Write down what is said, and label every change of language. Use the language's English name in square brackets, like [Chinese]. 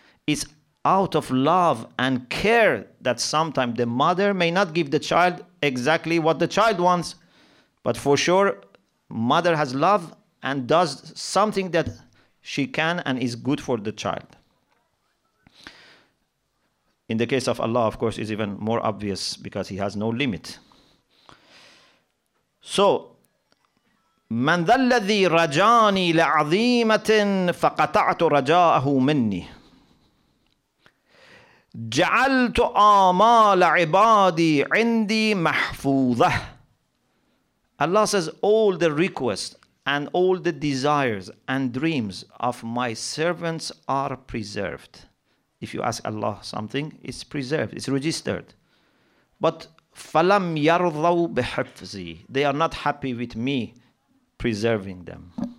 [English] It's out of love and care that sometimes the mother may not give the child exactly what the child wants, but for sure mother has love and does something that she can and is good for the child. In the case of Allah, of course, is even more obvious because he has no limit. [Arabic] So مَنْ ذَا الَّذِي رَجَانِي لَعَظِيمَةٍ فَقَطَعْتُ رَجَاءَهُ مِنِّي جَعَلْتُ آمَالَ عِبَادِي عِنْدِي مَحْفُوظَةً [English] Allah says all the requests and all the desires and dreams of my servants are preserved. If you ask Allah something, it's preserved, it's registered. But [Arabic] فَلَمْ يَرْضَوْا بِحَفْزِي, [English] they are not happy with me preserving them.